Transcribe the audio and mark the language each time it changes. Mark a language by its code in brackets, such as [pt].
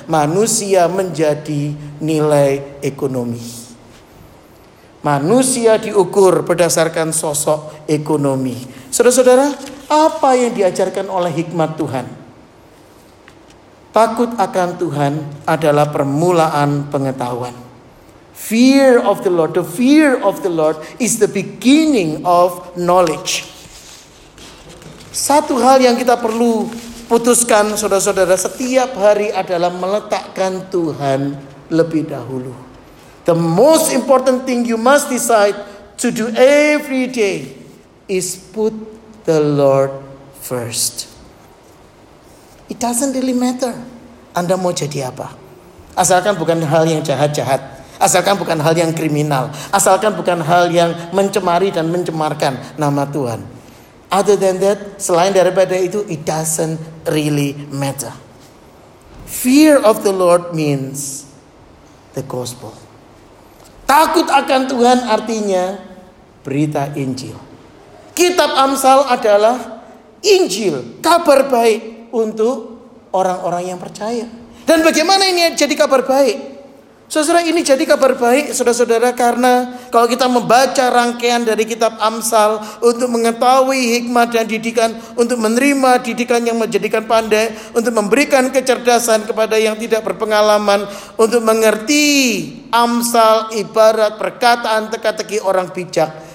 [id] Manusia menjadi nilai ekonomi. Manusia diukur berdasarkan sosok ekonomi. Saudara-saudara, apa yang diajarkan oleh hikmat Tuhan? Takut akan Tuhan adalah permulaan pengetahuan. [en] Fear of the Lord. The fear of the Lord is the beginning of knowledge. [id] Satu hal yang kita perlu putuskan, saudara-saudara, setiap hari adalah meletakkan Tuhan lebih dahulu. [en] The most important thing you must decide to do every day is put the Lord first. It doesn't really matter [id] Anda mau jadi apa. Asalkan bukan hal yang jahat-jahat. Asalkan bukan hal yang kriminal. Asalkan bukan hal yang mencemari dan mencemarkan nama Tuhan. [en] Other than that, [id] selain daripada itu, [en] it doesn't really matter. Fear of the Lord means the gospel. [id] Takut akan Tuhan artinya berita Injil. Kitab Amsal adalah Injil, kabar baik untuk orang-orang yang percaya. Dan bagaimana ini jadi kabar baik? Saudara, ini jadi kabar baik, saudara-saudara, karena kalau kita membaca rangkaian dari kitab Amsal untuk mengetahui hikmat dan didikan, untuk menerima didikan yang menjadikan pandai, untuk memberikan kecerdasan kepada yang tidak berpengalaman, untuk mengerti Amsal ibarat perkataan teka-teki orang bijak.